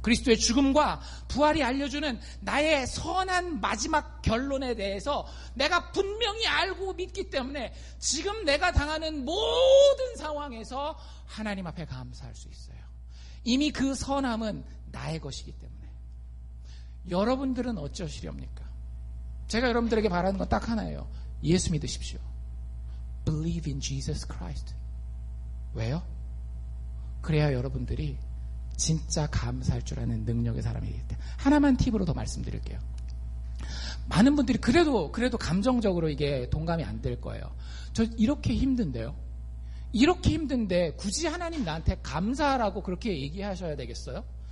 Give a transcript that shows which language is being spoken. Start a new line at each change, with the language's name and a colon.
Korean: 그리스도의 죽음과 부활이 알려주는 나의 선한 마지막 결론에 대해서 내가 분명히 알고 믿기 때문에 지금 내가 당하는 모든 상황에서 하나님 앞에 감사할 수 있어요. 이미 그 선함은 나의 것이기 때문에. 여러분들은 어쩌시렵니까? 제가 여러분들에게 바라는 건 딱 하나예요. 예수 믿으십시오.
English: Believe in Jesus Christ.
Korean: 왜요? 그래야 여러분들이 진짜 감사할 줄 아는 능력의 사람이 되기 때문에. 하나만 팁으로 더 말씀드릴게요. 많은 분들이 그래도 감정적으로 이게 동감이 안 될 거예요. 저 이렇게 힘든데요? 이렇게 힘든데 굳이 하나님 나한테 감사하라고 그렇게 얘기하셔야 되겠어요?